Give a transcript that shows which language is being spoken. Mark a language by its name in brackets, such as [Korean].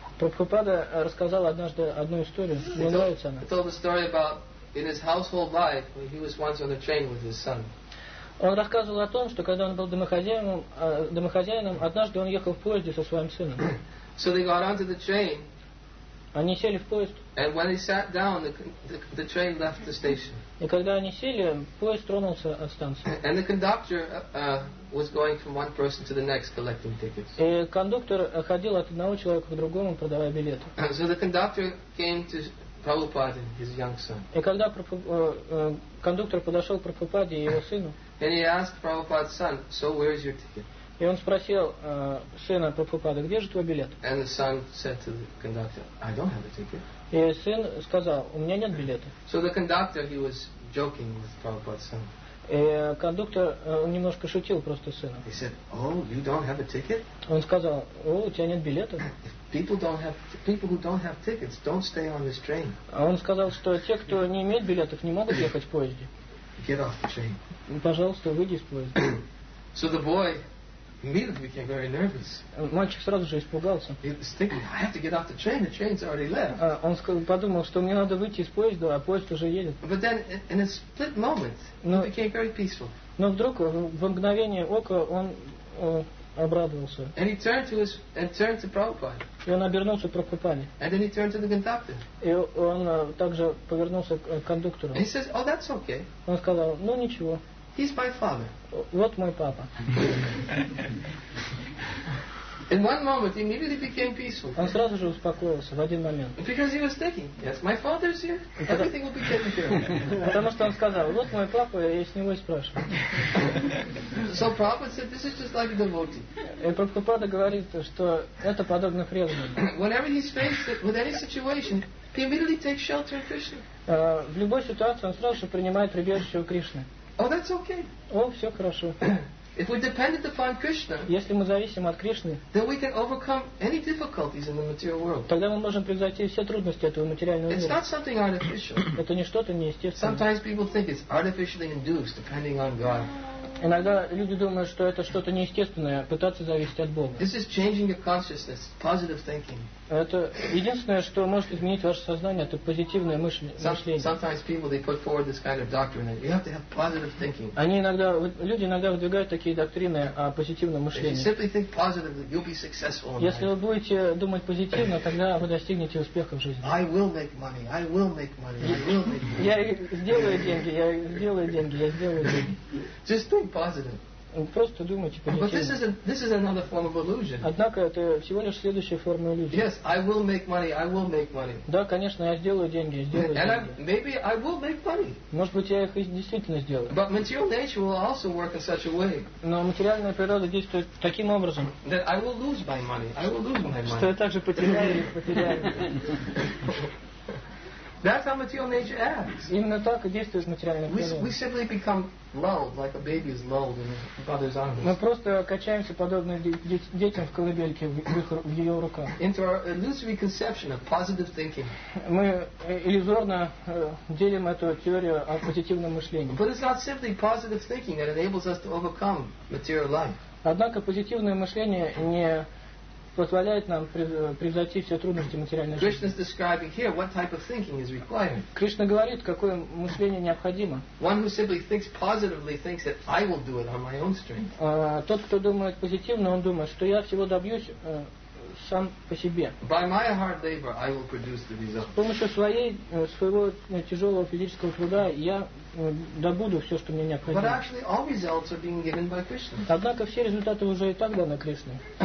[Russian] Прабхупада рассказал однажды одну историю. Мне нравится она. [English] He told a story about in his household life when he was once on the train with his son. [Russian] Он рассказывал о том, что когда он был домохозяином, однажды он ехал в поезде со своим сыном. [English] So they got onto the train. [Russian] Они сели в поезд. [English] And when they sat down, the train left the station. [Russian] И когда они сели, поезд тронулся от станции. [English] And the conductor was going from one person to the next collecting tickets. [Russian] И кондуктор ходил от одного человека к другому, продавая билеты. [English] So the conductor came to Prabhupada, his young son. [Russian] И когда кондуктор подошел к Прабхупаде и его сыну, [English] and he asked Prabhupada's son, "So where is your ticket?" [Russian] И он спросил сына Прабхупады, где же твой билет? [English] And the son said to the conductor, "I don't have a ticket." [Russian] И сын сказал, у меня нет билета. [English] So the conductor, he was joking with Prabhupada's son. [Russian] И кондуктор немножко шутил просто с сыном. [English] He said, "Oh, you don't have a ticket?" [Russian] Он сказал, о, у тебя нет билета. [English] People who don't have tickets don't stay on this train. [Russian] А он сказал, что те, кто не имеет билетов, не могут ехать в поезде. [English] Get off the train. [Russian] Пожалуйста, выйди из поезда. [English] So the boy immediately became very nervous. [Russian] Мальчик сразу же испугался. [English] He's thinking, I have to get off the train. The train's already left. [Russian] Он подумал, что мне надо выйти из поезда, а поезд уже едет. [English] But then, in a split moment, he became very peaceful. [Russian] Но вдруг в мгновение ока он обрадовался. [English] And he turned to Prabhupada. [Russian] И он обернулся к Прабхупаде. [English] And then he turned to the conductor. [Russian] И он также повернулся к кондуктору. [English] And he says, "Oh, that's okay." [Russian] Он сказал, ну ничего. [English] He's my father. [Russian] Вот мой папа. [English] In one moment, he immediately became peaceful. [Russian] Он сразу же успокоился в один момент. [English] Because he was thinking, yes, my father's here. Everything will be taken care of. [Russian] Потому что он сказал, вот мой папа, я с него и спрашиваю. [English] So Prabhupada said, this is just like a devotee. [Russian] И Прабхупада говорит, что это подобно преданному. [English] Whenever he's faced with any situation, he immediately takes shelter in Krishna. [Russian] В любой ситуации он сразу же принимает прибежище у Кришны. [English] Oh, that's okay. [Russian] О, все хорошо. [English] If we dependent upon Krishna, [Russian] если мы зависим от Кришны, [English] then we can overcome any difficulties in the material world. [Russian] Тогда мы можем превзойти все трудности этого материального мира. [English] It's not something artificial. [Russian] Это не что-то неестественное. [English] Sometimes people think it's artificially induced, depending on God. [Russian] Иногда люди думают, что это что-то неестественное, пытаться зависеть от Бога. [English] This is changing your consciousness, positive thinking. [Russian] Это единственное, что может изменить ваше сознание, это позитивное мышление. [English] Sometimes people they put forward this kind of doctrine. You have to have positive thinking. [Russian] Люди иногда выдвигают такие доктрины о позитивном мышлении. [English] If you simply think positively, you'll be successful. [Russian] Если вы будете думать позитивно, тогда вы достигнете успеха в жизни. [English] I will make money. I will make money. I will make money. [Russian] Я сделаю деньги. [English] Just think positive. [Russian] Просто думайте позитивно. [English] But this is another form of illusion. [Russian] Однако это всего лишь следующая форма иллюзии. [English] Yes, I will make money. I will make money. [Russian] Да, конечно, я сделаю деньги. [English] Maybe I will make money. [Russian] Может быть, я их и действительно сделаю. [English] But material nature will also work in such a way. [Russian] Но материальная природа действует таким образом. [English] That I will lose my money. I will lose my money. [Russian] Что я также потеряю. [English] That's how material nature acts. [Russian] Именно так и действует материальная природа. [English] We simply become lulled, like a baby is lulled in the father's arms. [Russian] Мы просто качаемся подобно детям в колыбельке в ее руках. [English] Into our illusory conception of positive thinking. [Russian] Мы иллюзорно делим эту теорию о позитивном мышлении. [English] But it's not simply positive thinking that enables us to overcome material life. [Russian] Однако позитивное мышление не позволяет нам превзойти все трудности материальной жизни. [English] Krishna is describing here what type of thinking is required. [Russian] Кришна говорит, какое мышление необходимо. [English] One who simply thinks positively thinks that I will do it on my own strength. [Russian] Тот, кто думает позитивно, он думает, что я всего добьюсь сам по себе. [English] By my hard labor, I will produce the result. [Russian] С помощью своего тяжелого физического труда я добуду все, что мне необходимо. [English] But actually, all results are being given by Krishna. [Russian] Однако все результаты уже и так даны Кришной.